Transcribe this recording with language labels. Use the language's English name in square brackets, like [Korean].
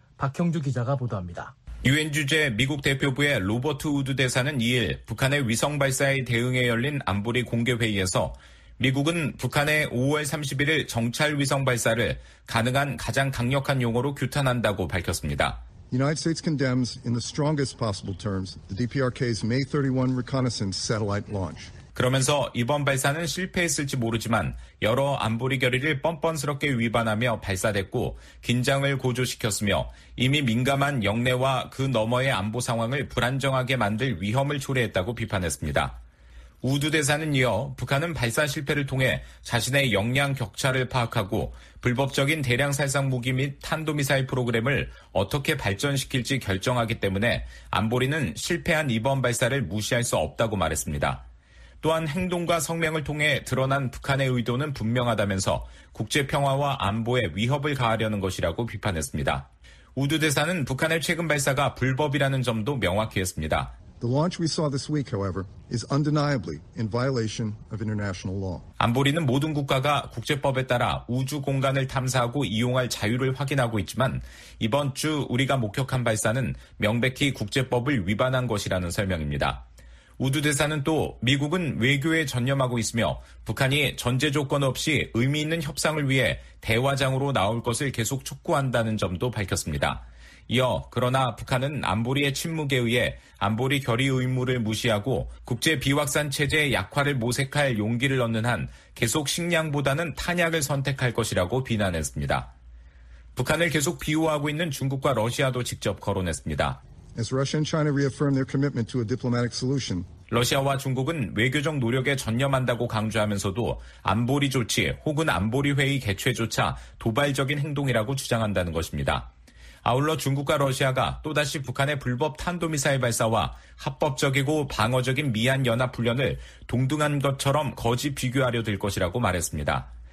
[Korean] 박형주 기자가 보도합니다. 유엔 주재 미국 대표부의 로버트 우드 대사는 2일 북한의 위성 발사에 대응해 열린 안보리 공개 회의에서 미국은 북한의 5월 31일 정찰 위성 발사를 가능한 가장 강력한 용어로 규탄한다고 밝혔습니다. [English] United States condemns in the strongest possible terms the DPRK's May 31 reconnaissance satellite launch. [Korean] 그러면서 이번 발사는 실패했을지 모르지만 여러 안보리 결의를 뻔뻔스럽게 위반하며 발사됐고 긴장을 고조시켰으며 이미 민감한 영내와 그 너머의 안보 상황을 불안정하게 만들 위험을 초래했다고 비판했습니다. 우드 대사는 이어 북한은 발사 실패를 통해 자신의 역량 격차를 파악하고 불법적인 대량 살상 무기 및 탄도미사일 프로그램을 어떻게 발전시킬지 결정하기 때문에 안보리는 실패한 이번 발사를 무시할 수 없다고 말했습니다. 또한 행동과 성명을 통해 드러난 북한의 의도는 분명하다면서 국제평화와 안보에 위협을 가하려는 것이라고 비판했습니다. 우드 대사는 북한의 최근 발사가 불법이라는 점도 명확히 했습니다. [English] The launch we saw this week, however, is undeniably in violation of international law. [Korean] 안보리는 모든 국가가 국제법에 따라 우주 공간을 탐사하고 이용할 자유를 확인하고 있지만 이번 주 우리가 목격한 발사는 명백히 국제법을 위반한 것이라는 설명입니다. 우드 대사는 또 미국은 외교에 전념하고 있으며 북한이 전제 조건 없이 의미 있는 협상을 위해 대화장으로 나올 것을 계속 촉구한다는 점도 밝혔습니다. 이어 그러나 북한은 안보리의 침묵에 의해 안보리 결의 의무를 무시하고 국제 비확산 체제의 약화를 모색할 용기를 얻는 한 계속 식량보다는 탄약을 선택할 것이라고 비난했습니다. 북한을 계속 비호하고 있는 중국과 러시아도 직접 거론했습니다. [English] As Russia and China reaffirm their commitment to a diplomatic solution. [Korean] 러시아와 중국은 외교적 노력에 전념한다고 강조하면서도 안보리 조치 혹은 안보리 회의 개최조차 도발적인 행동이라고 주장한다는 것입니다. 아울러 중국과 러시아가 또다시 북한의 불법 탄도미사일 발사와 합법적이고 방어적인 미한연합훈련을 동등한 것처럼 거지 비교하려 들 것이라고 말했습니다.